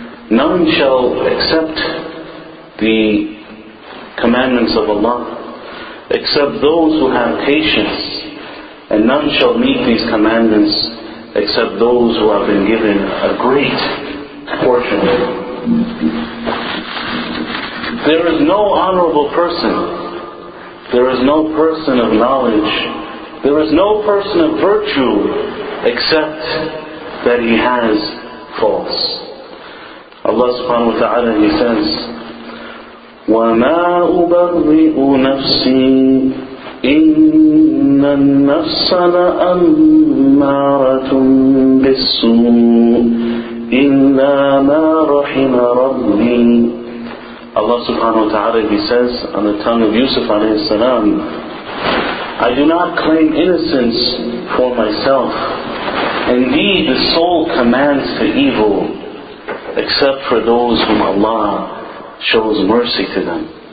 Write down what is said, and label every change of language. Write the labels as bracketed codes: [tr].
[en] None shall accept the commandments of Allah except those who have patience, and none shall meet these commandments except those who have been given a great portion. There is no honorable person, there is no person of knowledge, there is no person of virtue except that he has faults. Allah subhanahu wa ta'ala, He says, [ar] وَمَا أُبَرِّئُ نَفْسِي إِنَّ النَّفْسَ لَأَمَّارَةٌ بِالسُّوءِ إِلَّا مَا رَحِمَ رَبِّي. [en] Allah subhanahu wa ta'ala, He says on the tongue of Yusuf alayhi salam, I do not claim innocence for myself. Indeed, the soul commands to evil except for those whom Allah shows mercy to them.